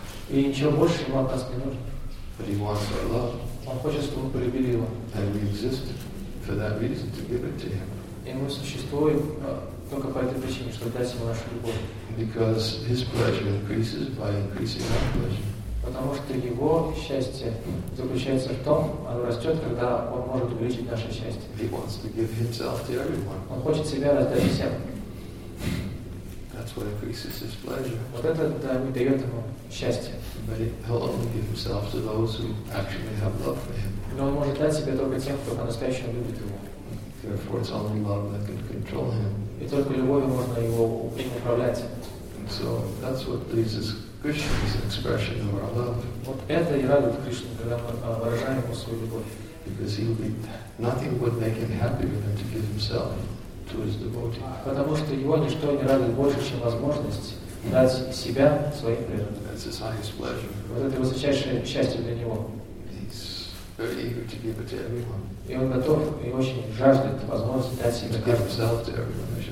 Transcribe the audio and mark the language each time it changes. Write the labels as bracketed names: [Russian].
[Russian] И ничего больше ему от нас не нужно. [English] He wants our love. [Russian] Он хочет, чтобы мы полюбили его. [English] And we exist for that reason to give it to him. [Russian] И мы существуем только по этой причине, чтобы дать ему нашу любовь. [English] Because his pleasure increases by increasing our pleasure. [Russian] Потому что его счастье заключается в том, оно растет, когда он может увеличить наше счастье. [English] He wants to give himself to everyone. [Russian] Он хочет себя раздать всем. [English] That's what increases his pleasure. [Russian] Вот это дает ему счастье. [English] But he'll only give himself to those who actually have love for him. [Russian] Но он может дать себя только тем, кто по-настоящему любит его. [English] Therefore, it's only love that can control him. [Russian] И только любовью можно его управлять. [English] So that's what pleases Krishna, is an expression of our love. [Russian] Вот это и радует Кришну, когда мы выражаем ему свою любовь. [English] Because he'll be nothing would make him happier than to give himself to his devotee. [Russian] Потому что его ничто не радует больше, чем возможность дать себя своим преданным. [English] That's his highest pleasure. [Russian] Вот это высочайшее счастье для него. [English] He's very eager to give it to everyone. [Russian] И он готов и очень жаждет возможности дать себя [English] to give himself to everyone.